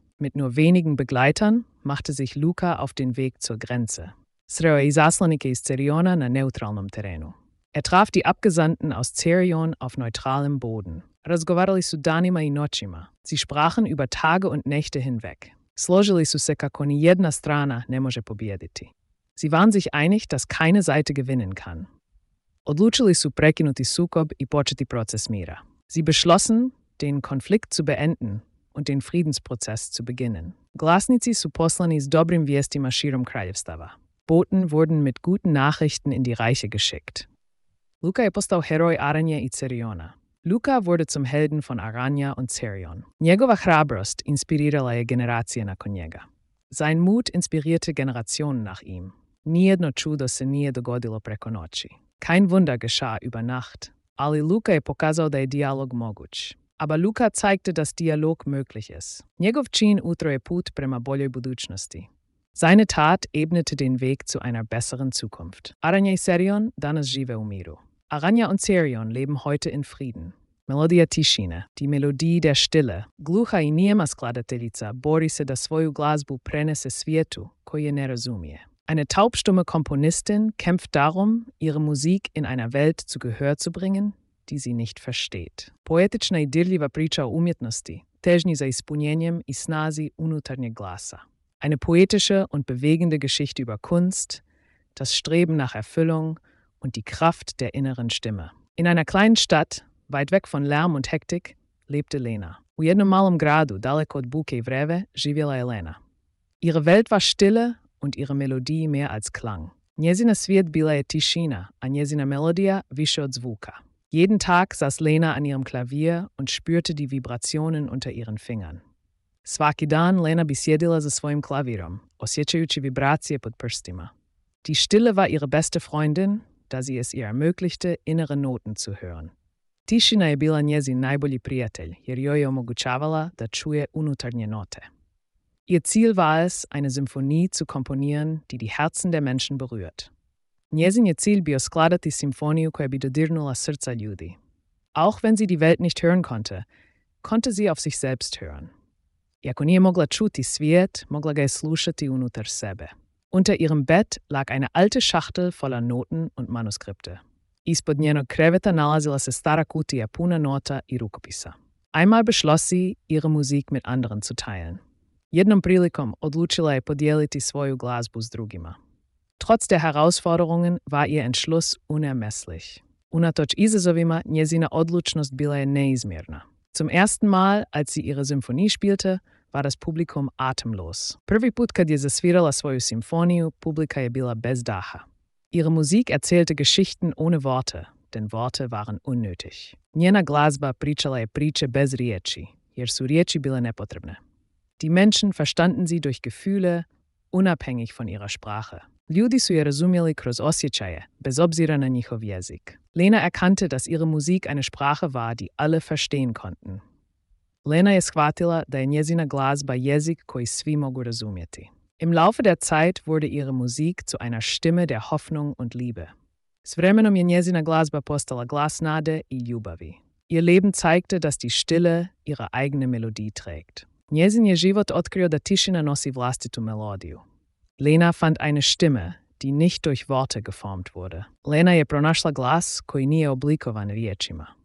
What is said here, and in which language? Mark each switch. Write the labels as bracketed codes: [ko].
[de] Mit nur wenigen Begleitern machte sich Luka auf den Weg zur Grenze. [hr] Sreo je izaslanike iz Ceriona na neutralnom terenu. [de] Er traf die Abgesandten aus Cerion auf neutralem Boden. [hr] Razgovarali su danima i noćima. [de] Sie sprachen über Tage und Nächte hinweg. [hr] Složili su se kako ni jedna strana ne može pobijediti. [de] Sie waren sich einig, dass keine Seite gewinnen kann. [hr] Odlučili su prekinuti sukob i početi proces mira. [de] Sie beschlossen, den Konflikt zu beenden und den Friedensprozess zu beginnen. [hr] Glasnici su poslani s dobrim vijestima širom kraljevstava. [de] Boten wurden mit guten Nachrichten in die Reiche geschickt. [hr] Luka je postao heroj Aranje i Ceriona. [de] Luka wurde zum Helden von Aranja und Cerion. [hr] Njegova hrabrost inspirirala je generacije nakon njega. [de] Sein Mut inspirierte Generationen nach ihm. [hr] Nijedno čudo se nije dogodilo preko noći. [de] Kein Wunder geschah über Nacht. [hr] Ali Luka je pokazao da je dialog moguć. [de] Aber Luka zeigte, dass Dialog möglich ist. [hr] Njegov čin utro je put prema boljoj budućnosti. [de] Seine Tat ebnete den Weg zu einer besseren Zukunft. [hr] Aranja i Cerion danas žive u miru. [de] Aranja und Cerion leben heute in Frieden. [hr] melodija tišine, di melodiji de stille. Gluha i nijema skladateljica bori se da svoju glazbu prenese svijetu koji je ne razumije. [de] Eine taubstumme Komponistin kämpft darum, ihre Musik in einer Welt zu Gehör zu bringen, die sie nicht versteht. [hr] Poetična i dirljiva priča o umjetnosti, težnji za ispunjenjem i snazi unutarnjeg glasa. [de] Eine poetische und bewegende Geschichte über Kunst, das Streben nach Erfüllung und die Kraft der inneren Stimme. In einer kleinen Stadt, weit weg von Lärm und Hektik, lebte Lena. [hr] U jednom malom gradu, daleko od buke i vreve, živjela je Lena. [de] Ihre Welt war stille und ihre Melodie mehr als Klang. [hr] Njezina svijet bila je tišina, a njezina melodija više od zvuka. [de] Jeden Tag saß Lena an ihrem Klavier und spürte die Vibrationen unter ihren Fingern. [hr] Svaki dan Lena bi sjedila za svojim klavirom, osjećajući vibracije pod prstima. [de] Die Stille war ihre beste Freundin, da sie es ihr ermöglichte, innere Noten zu hören. [hr] Tišina je bila njezin najbolji prijatelj, jer joj je omogućavala da čuje unutarnje note. [de] Ihr Ziel war es, eine Symphonie zu komponieren, die die Herzen der Menschen berührt. [hr] Njezin je cilj bio skladati simfoniju koja bi dodirnula srca ljudi. [de] Auch wenn sie die Welt nicht hören konnte, konnte sie auf sich selbst hören. [hr] Iako nije mogla čuti svijet, mogla ga je slušati unutar sebe. [de] Unter ihrem Bett lag eine alte Schachtel voller Noten und Manuskripte. [hr] Ispod njenog kreveta nalazila se stara kutija puna nota i rukopisa. [de] Einmal beschloss sie, ihre Musik mit anderen zu teilen. [hr] Jednom prilikom odlučila je podijeliti svoju glazbu s drugima. [de] Trotz der Herausforderungen war ihr Entschluss unermesslich. [hr] Unatoč izazovima njezina odlučnost bila je neizmjerna. [de] Zum ersten Mal, als sie ihre Symphonie spielte, war das Publikum atemlos. [hr] Prvi put kad je zasvirala svoju simfoniju, publika je bila bez daha. [de] Ihre Musik erzählte Geschichten ohne Worte, denn Worte waren unnötig. [hr] Njena glazba pričala je priče bez riječi, jer su riječi bile nepotrebne. [de] Die Menschen verstanden sie durch Gefühle, unabhängig von ihrer Sprache. [hr] Ljudi su je razumjeli kroz osjećaje, bez obzira na njihov jezik. [de] Lena erkannte, dass ihre Musik eine Sprache war, die alle verstehen konnten. [hr] Lena je shvatila da je njezina glazba jezik koji svi mogu razumjeti. [de] Im Laufe der Zeit wurde ihre Musik zu einer Stimme der Hoffnung und Liebe. [hr] S vremenom je njezina glazba postala glas nade i ljubavi. [de] Ihr Leben zeigte, dass die Stille ihre eigene Melodie trägt. [hr] Njezin je život otkrio da tišina nosi vlastitu melodiju. [de] Lena fand eine Stimme, die nicht durch Worte geformt wurde. [hr] Lena je pronašla glas koji nije oblikovan riječima.